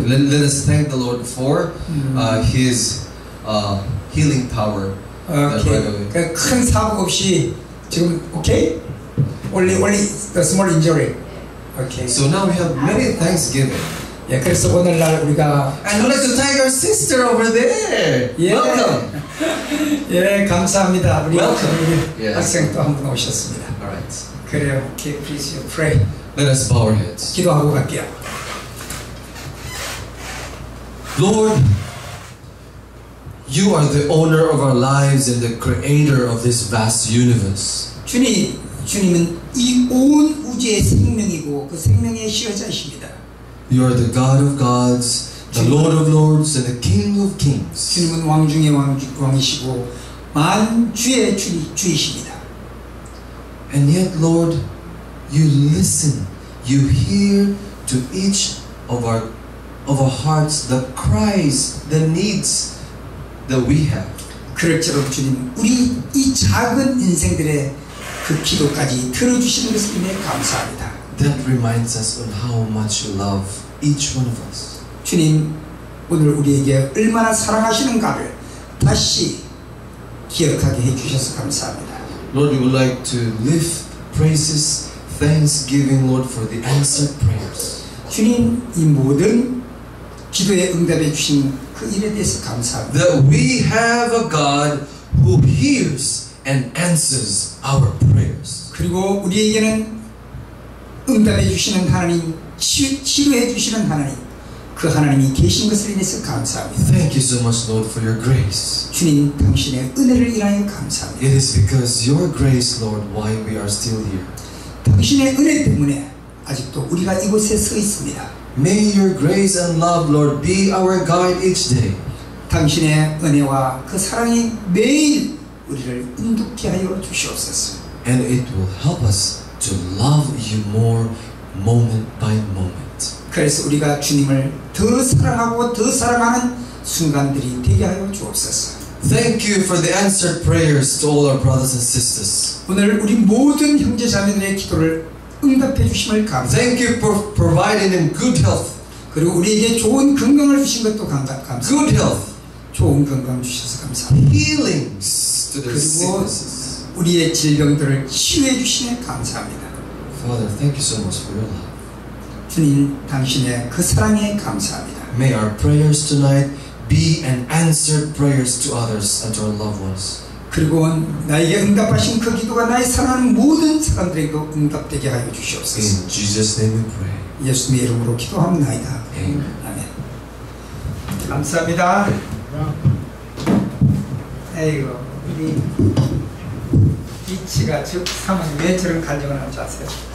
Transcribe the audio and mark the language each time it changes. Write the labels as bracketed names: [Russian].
[English] Let us thank the Lord for His healing power. Okay. [Korean] 큰 사고 없이 지금 오케이? [English] Only the small injury. Okay. So now we have many Thanksgiving. [Korean] Yeah, 그래서 오늘날 우리가 [English] I'd like to thank your sister over there. Yeah. Welcome. [Korean] 예, 감사합니다. 우리 [English] Welcome. [Korean] 우리 yes. 학생 또 한 분 오셨습니다. [English] All right. [Korean] 그래요. [English] Okay, please you pray. Let us bow our heads. [Korean] 기도하고 갈게요. [English] Lord, you are the owner of our lives and the creator of this vast universe. [Korean] 주님. 주님은 이 온 우주의 생명이고 그 생명의 시어자이십니다. [English] You are the God of gods, the Lord of lords, and the King of kings. [Korean] 주님은 왕 중의 왕이시고 만주의 주이십니다. [English] And yet, Lord, you listen, you hear to each of our hearts the cries, the needs that we have. [Korean] 그럴처럼 주님, 우리 이 작은 인생들의 그 기도까지 들어주시는 것을 인해 감사합니다. [English] That reminds us of how much you love each one of us. [Korean] 주님 오늘 우리에게 얼마나 사랑하시는가를 다시 기억하게 해주셔서 감사합니다. [English] Lord, we would like to lift praises, thanksgiving, Lord, for the answered prayers. [Korean] 주님 이 모든 기도에 응답해 주신 그 일에 대해서 감사합니다. [English] That we have a God who hears. And answers our prayers. [Korean] 그리고 우리에게는 응답해 주시는 하나님, 치료해 주시는 하나님, 그 하나님이 계신 것을 인해서 감사합니다. [English] Thank you so much, Lord, for your grace. [Korean] 주님, 당신의 은혜를 인하여 감사합니다. [English] It is because your grace, Lord, why we are still here. [Korean] 당신의 은혜 때문에 아직도 우리가 이곳에 서 있습니다. [English] May your grace and love, Lord, be our guide each day. [Korean] 당신의 은혜와 그 사랑이 매일 우리를 인도케 하여 주시옵소서. [English] And it will help us to love you more moment by moment. [Korean] 그래서 우리가 주님을 더 사랑하고 더 사랑하는 순간들이 되게 하여 주옵소서. [English] Thank you for the answered prayers to all our brothers and sisters. [Korean] 오늘 우리 모든 형제 자매들의 기도를 응답해 주심을 감사합니다. [English] Thank you for providing them good health. [Korean] 그리고 우리에게 좋은 건강을 주신 것도 감사합니다. [English] Good health. [Korean] 좋은 건강 주셔서 감사합니다. [English] Healings. [Korean] 그리고 우리의 질병들을 치유해 주시니 감사합니다. [English] Father, thank you so much for your love. [Korean] 주님, 당신의 그 사랑에 감사합니다. [English] May our prayers tonight be and answered prayers to others and to our loved ones. [Korean] 그리고 나에게 응답하신 그 기도가 나의 사랑하는 모든 사람들에게 응답되게 하여 주시옵소서. [English] In Jesus' name we pray. [Korean] 예수님의 이름으로 기도합니다. 아멘. 감사합니다. 에이고, 우리 비치가 즉 사모님 왜 저런 간증을 하는지 아세요?